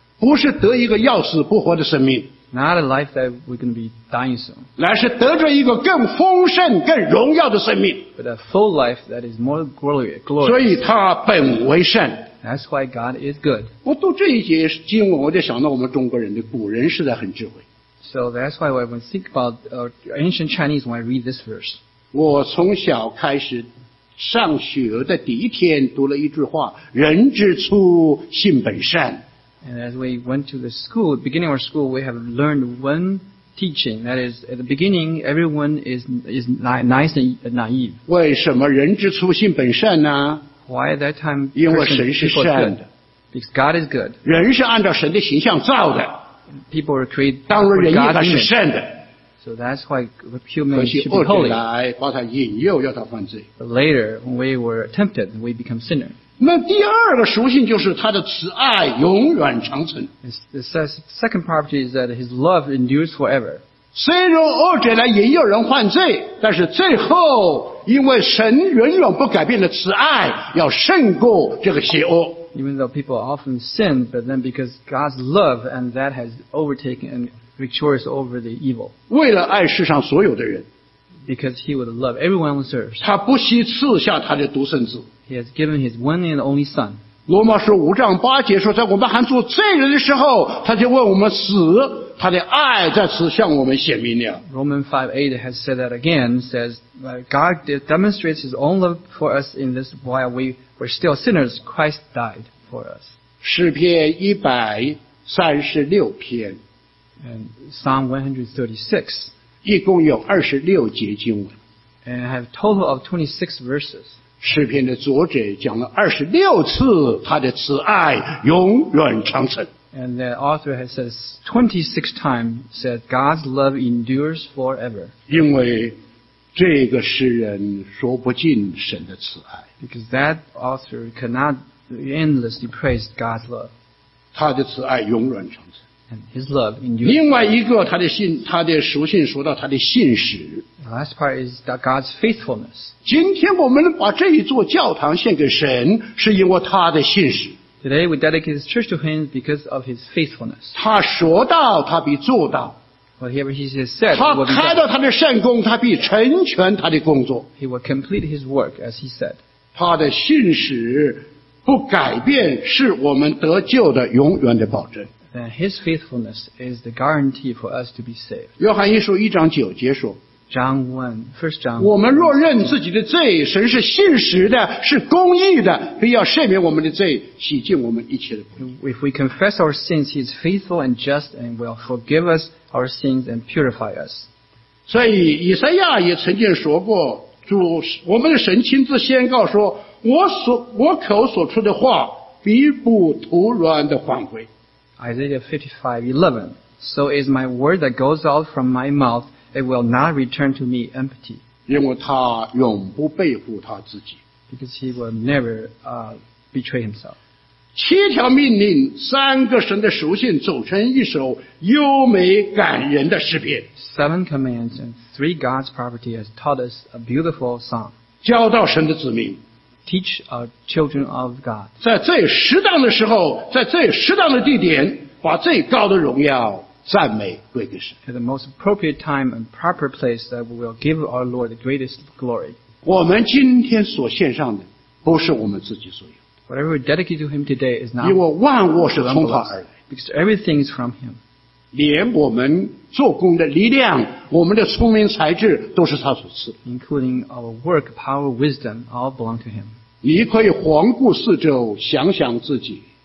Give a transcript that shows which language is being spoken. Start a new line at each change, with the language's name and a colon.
Chinese: 不是得一个要死不活的生命
English: Not a life that we're going to be dying soon
Chinese: 乃是得着一个更丰盛更荣耀的生命
English: But a full life that is more glorious
Chinese: 所以他本为善
English: That's why God is good
Chinese: 我读这一节经文我就想到我们中国人的古人实在很智慧
English: So that's why when I think about ancient Chinese when I read this verse
Chinese: 我从小开始上学的第一天读了一句话人之初性本善
English: And as we went to the school, the beginning of our school, we have learned one teaching. That is, at the beginning, everyone is nice and naive.
Chinese: 为什么人之初性本善呢?
English: Why at that time?
Chinese: 因为神是善的。
English: Because God is good.
Chinese: 人是按照神的形象造的。
English: People are created.
Chinese: 当然人应该是善的。
English: So that's why human should be holy.
Chinese: 可惜恶者来把他引诱要他犯罪。
English: But later, when we were tempted, we become sinner.
Chinese: 那第二个属性就是他的慈爱永远长存。
English: The second property is that his love endures forever.
Chinese: 虽然恶者来引诱人犯罪，但是最后因为神永远不改变的慈爱，要胜过这个邪恶。
English: Even though people often sin, but then because God's love and that has overtaken and victorious over the evil.
Chinese: 为了爱世上所有的人。
English: Because he would love everyone who serves.
Chinese: 他不惜赐下他的独生子。
English: He has given his one and only son.
Chinese: 罗马书五章八节说在我们还做罪人的时候他就为我们死他的爱在此向我们显明了。
English: Romans 5:8 has said that again, says, God demonstrates his own love for us in this while we were still sinners, Christ died for us.
Chinese: 诗篇136篇。
English: And Psalm 136.
Chinese: 一共有26节经文。
English: And have a total of 26 verses.
Chinese: 诗篇的作者讲了26次他的慈爱永远长存。
English: And the author has said 26 times said God's love endures forever.
Chinese: 因为这个诗人说不尽神的慈爱。
English: Because that author cannot endlessly praise God's love.
Chinese: 他的慈爱永远长存。
English: And his love endures.
Chinese: 另外一个他的属性说到他的信实。
English: The last part is God's faithfulness.
Chinese: 今天我们把这一座教堂献给神是因为他的信实。
English: Today we dedicate this church to him because of his faithfulness.
Chinese: 他说到他必做到。
English: Whatever he has said,
Chinese: 他开到他的善工他必成全他的工作。
English: He will complete his work as he said.
Chinese: 他的信实不改变是我们得救的永远的保证。
English: Then his faithfulness is the guarantee for us to be saved.
Chinese: 约翰一书一章九节说
English: John 1, first John
Chinese: 我们若认自己的罪神是信实的是公义的必要赦免我们的罪洗净我们一切的不义
English: If we confess our sins, he is faithful and just and will forgive us our sins and purify us.
Chinese: 所以以赛亚也曾经说过主我们的神亲自宣告说我口所出的话必不徒然的反悔
English: Isaiah 55:11 So is my word that goes out from my mouth, it will not return to me empty.
Chinese: 因为他永不背负他自己。
English: Because he will never, betray himself.
Chinese: 七条命令，三个神的属性组成一首优美感人的诗篇。
English: Seven commands and three God's property has taught us a beautiful song.
Chinese: 教导神的子民。
English: Teach our children of God.
Chinese: 在最适当的时候，在最适当的地点，把最高的荣耀赞美归给神。
English: At the most appropriate time and proper place that we will give our Lord the greatest glory.
Chinese: 我们今天所献上的不是我们自己所有的。
English: Whatever we dedicate to him today is not.
Chinese: 因为万物是从他而来。
English: Because everything is from him.
Chinese: 连我们做工的力量，我们的聪明才智都是他所赐。
English: Including our work, power, wisdom, all belong to him.
Chinese: 你可以环顾四周，想想自己。